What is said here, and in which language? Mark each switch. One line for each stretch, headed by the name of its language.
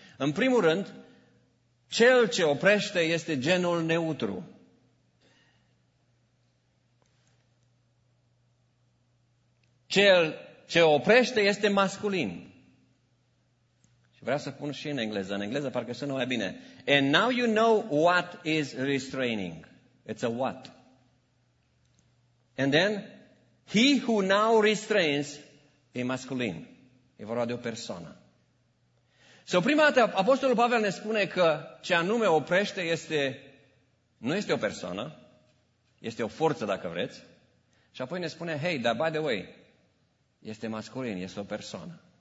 Romanian: În primul rând, cel ce oprește este genul neutru. Cel ce oprește este masculin. Și vreau să pun și în engleză. În engleză parcă sună mai bine.
English: And now you know what is restraining. It's a what. And then, he who now restrains,
Romanian: e masculin. E vorba de o persoană. So, prima dată, Apostolul Pavel ne spune că ce anume oprește este, nu este o persoană, este o forță, dacă vreți. Și apoi ne spune, hey, dar
English: by the way,
Romanian: este masculin, este o persoană.